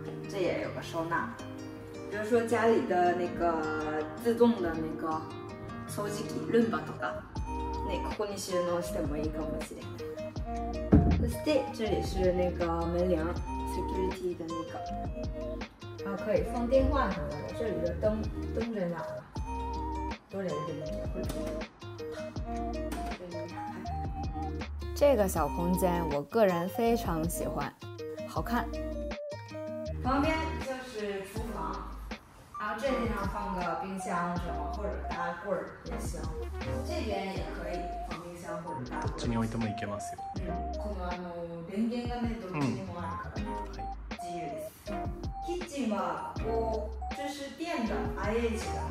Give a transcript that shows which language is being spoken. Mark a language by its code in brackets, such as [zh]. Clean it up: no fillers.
[zh] 这也有个收纳，比如说家里的那个自动的那个 [ja] 掃除機ルンバとか、ね、ここに収納してもいいかもしれない。 [zh] Stay， 这里是那个门铃 ，Security 的那个。啊，可以放电话什么的，这里的灯灯在哪了？都连着门铃。这个小空间我个人非常喜欢，好看。旁边就是厨房，然后这地方放个冰箱什么，或者大柜儿也行。这边也可以放冰箱或者大柜。 [ja] どっちに置いてもいけますよ。この電源がねどっちにもあるから自由です。キッチンはこう [zh] 就是电的 IH 的。